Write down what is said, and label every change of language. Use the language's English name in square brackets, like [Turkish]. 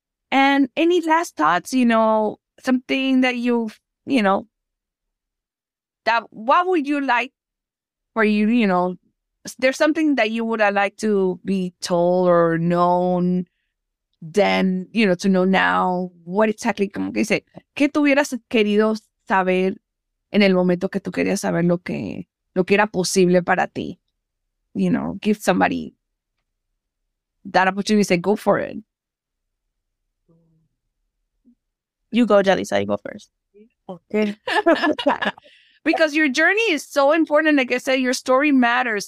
[English] And any last thoughts, you know, something that you've, you know, that what would you like for you, you know, there's something that you would have liked to be told or known then, you know, to know now. What exactly, [Spanish] como que dice, que tú hubieras querido saber en el momento que tú querías saber lo que era posible para ti? [English] You know, give somebody that opportunity to say, go for it. You go, Jalisa, you go first. Okay. Because your journey is so important. Like I said, your story matters.